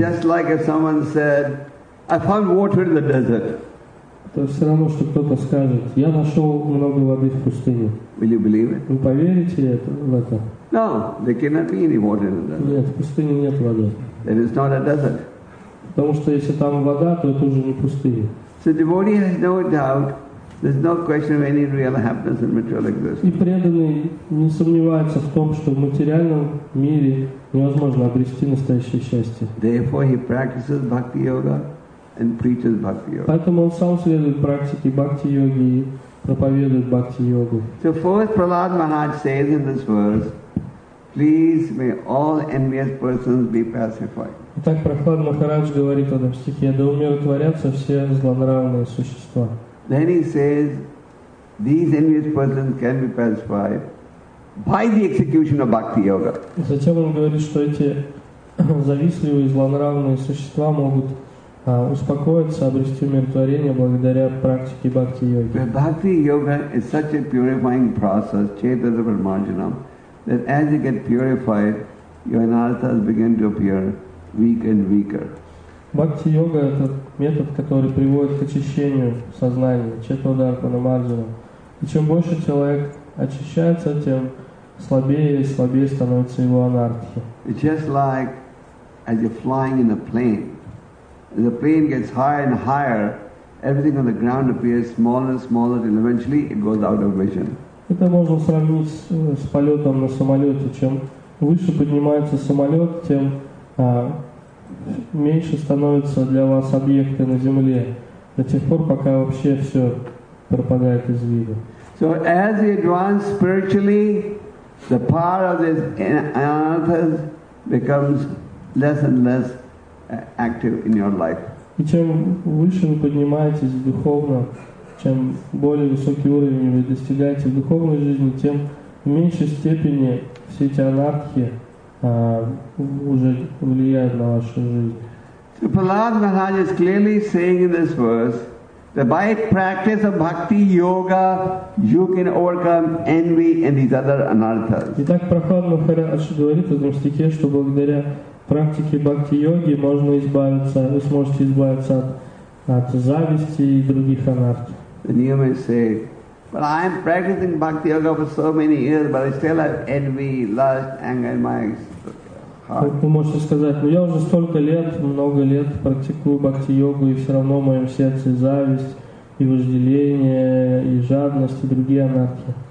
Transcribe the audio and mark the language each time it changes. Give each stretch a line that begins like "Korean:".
English: Just like if someone said, I found water in the desert.
Russian: То все равно, что кто-то скажет, я нашел много воды в пустыне.
English: Will you believe it?
Russian: Вы поверите в это?
English: No, there cannot be any water in the desert.
Russian: Нет, в пустыне нет воды.
English: It is not a desert.
Russian: Потому что если там вода, то это уже не пустыня.
English: So devotee has no doubt, there's no question of any real happiness in material existence.
Russian: И преданный не сомневается в том, что в материальном мире невозможно обрести настоящее счастье.
English: Therefore he practices bhakti yoga and preaches bhakti yoga.
Russian: Поэтому он сам следует практике бхакти йоги и проповедует бхакти йогу.
English: So first Prahlad Maharaj says in this verse, please may all envious persons be pacified.
Russian: Итак, Прохлад Махарадж говорит в этом стихе, да умиротворятся все злонравные существа.
English: Then he says, these envious persons can be pacified by the execution of bhakti yoga.
Russian: Затем он говорит, что эти завистливые злонравные существа могут успокоиться, обрести умиротворение благодаря практике бхакти йоги.
English: But bhakti yoga is such a purifying process, chaitanya parmarjanam, that as you get purified, your anarthas begin to appear weak and weaker.
Russian: Бхакти йога — это метод, который приводит к очищению сознания, чета-удар-пана-марджана. И чем больше человек очищается, тем слабее и слабее становится его анартхи.
English: It's just like as you're flying in a plane. As the plane gets higher and higher, everything on the ground appears smaller and smaller, and eventually it goes out of vision.
Russian: Это можно сравнить с полетом на самолете. Чем выше поднимается самолет, тем меньше становятся для вас объекты на земле до тех пор, пока вообще все пропадает из вида.
English: So as you advance spiritually, the power of this anarthas becomes less and less active in your life.
Russian: И чем выше вы поднимаетесь духовно, чем более высокий уровень вы достигаете в духовной жизни, тем в меньшей степени все эти анархи уже влияет на вашу жизнь.
English: So Prahlad Maharaj is clearly saying in this verse that by practice of bhakti yoga you can overcome envy and these other anarthas.
Russian: Итак, Прохлад Махарадж говорит в этом стихе, что благодаря практике бхакти йоги можно избавиться, вы сможете избавиться от зависти и других анартхи.
English: Then you may say, but I am practicing bhakti yoga for so many years, but I still have envy, lust, anger in my heart.
Russian: Вы можете сказать, ну я уже столько лет, много лет практикую бхакти йогу, и все равно в моем сердце зависть, и вожделение, и жадность, и другие анартхи.